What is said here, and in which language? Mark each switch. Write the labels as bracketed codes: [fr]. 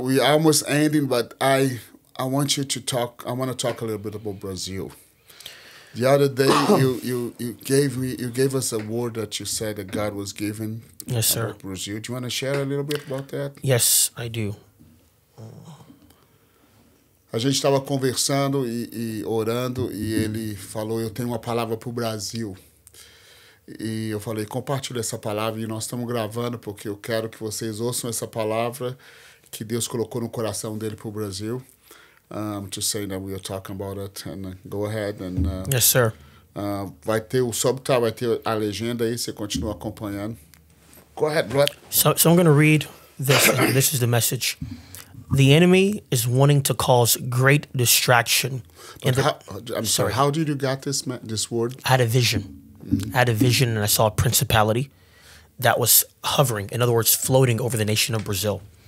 [en] We are almost ending, but I want you to talk. I want to talk a little bit about Brazil. The other day, you gave us a word that you said that God was given. Yes, sir. About Brazil. Do you want to share a little bit about that? Yes, I do. [pt] A gente estava conversando e orando, e ele falou, eu tenho uma palavra para o Brasil. E eu falei, compartilha essa palavra, e nós estamos gravando porque eu quero que vocês ouçam essa palavra que Deus colocou no coração dele para o Brasil. [en] Just saying that we are talking about it, and go ahead. Yes, sir. [pt] Vai ter o subtitle, vai ter a legenda aí, você continua acompanhando. [en] Go ahead, brother. So I'm going to read this, and this is the message. the enemy is wanting to cause great distraction. How did you get this word? I had a vision. Mm-hmm. I had a vision and I saw a principality that was hovering, in other words, floating over the nation of Brazil.